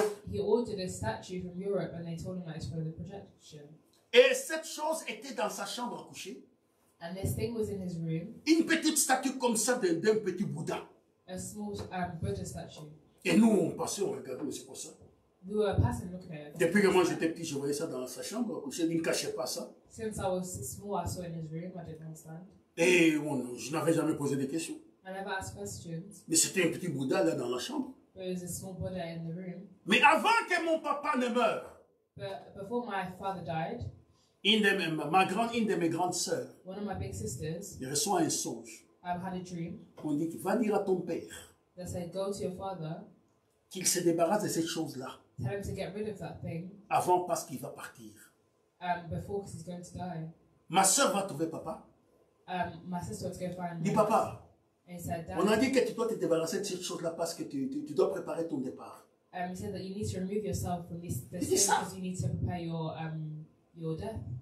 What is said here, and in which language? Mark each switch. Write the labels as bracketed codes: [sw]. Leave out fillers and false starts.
[en] He ordered a statue from Europe and they told him that it's for the protection. [fr] Et cette chose était dans sa chambre à coucher. [en] And this thing was in his room. [fr] Une petite statue comme ça d'un petit Bouddha. [en] A small Buddha statue. [fr] Et nous, on passait, on regardait, mais c'est quoi ça? [en] We were passing, looking at it. [fr] Depuis que moi j'étais petit, je voyais ça dans sa chambre à coucher, il ne cachait pas ça. [en] Since I was small, I saw it in his room, I didn't understand. [fr] Et bon, je n'avais jamais posé de questions. [en] I never asked questions. [fr] Mais c'était un petit Bouddha là dans la chambre. [en] There was a small Buddha in the room. [fr] Mais avant que mon papa ne meure, [en] but before my father died, [fr] une de mes grandes sœurs, [en] one of my big sisters, [fr] il reçoit un songe. [en] I've had a dream. [fr] On dit, va dire à ton père, [en] they said, go to your father, [fr] qu'il se débarrasse de cette chose-là, [en] tell him to get rid of that thing, [fr] avant parce qu'il va partir. [en] Before because he's going to die. [fr] Ma sœur va trouver papa. [en] My sister was going to find [fr] dis papa. [en] And he said, Dad, [fr] on a dit que tu dois te débarrasser de cette chose-là parce que tu dois préparer ton départ. [en] He said that you need to remove yourself from this thing because you need to prepare your death.